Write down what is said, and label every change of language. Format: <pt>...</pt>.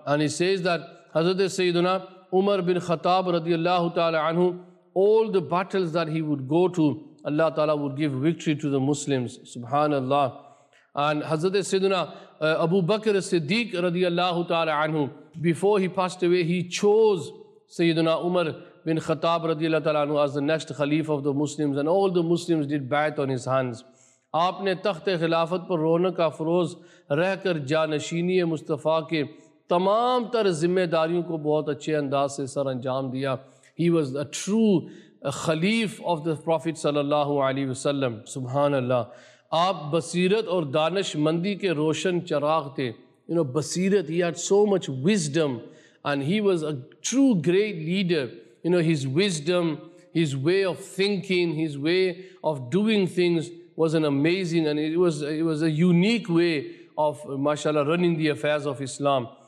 <en>And he says that Hazrat Sayyiduna Umar bin Khattab radiallahu ta'ala anhu, all the battles that he would go to, Allah ta'ala would give victory to the Muslims. Subhanallah. And Hazrat Sayyiduna Abu Bakr Siddiq radiallahu ta'ala anhu, before he passed away, he chose Sayyiduna Umar bin Khattab radiallahu ta'ala anhu as the next Khalif of the Muslims, and all the Muslims did bayat on his hands.</en> <ur>آپ نے تخت خلافت پر رونق افروز رہ کر جانشینی مصطفیٰ کے تمام تر ذمہ داریوں کو بہت اچھے انداز سے سر انجام دیا.</ur> <en>He was a true خلیف of the Prophet صلی اللہ علیہ وسلم. سبحان اللہ.</en> <ur>آپ بصیرت اور دانش مندی کے روشن چراغ تھے.</ur> <en>You know, بصیرت, he had so much wisdom, and he was a true great leader. You know, his wisdom, his way of thinking, his way of doing things was an amazing, and it was a unique way of, mashallah, running the affairs of Islam.</en>